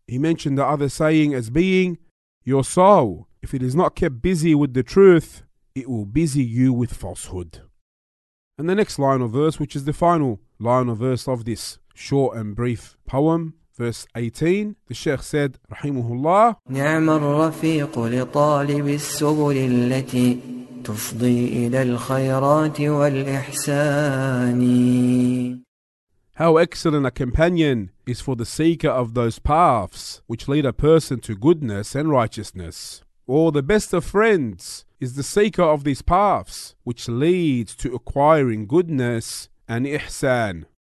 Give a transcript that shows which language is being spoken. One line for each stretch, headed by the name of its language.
English: He mentioned the other saying as being, your soul, if it is not kept busy with the truth, it will busy you with falsehood. And the next line of verse, which is the final line of verse of this short and brief poem, verse 18, the Sheikh said, Rahimahullah,
Arabic: نعم الرفيق لطالب السبل التي تفضي إلى الخيرات والإحسان.
English: How excellent a companion is for the seeker of those paths which lead a person to goodness and righteousness. Or the best of friends is the seeker of these paths which leads to acquiring goodness and ihsan.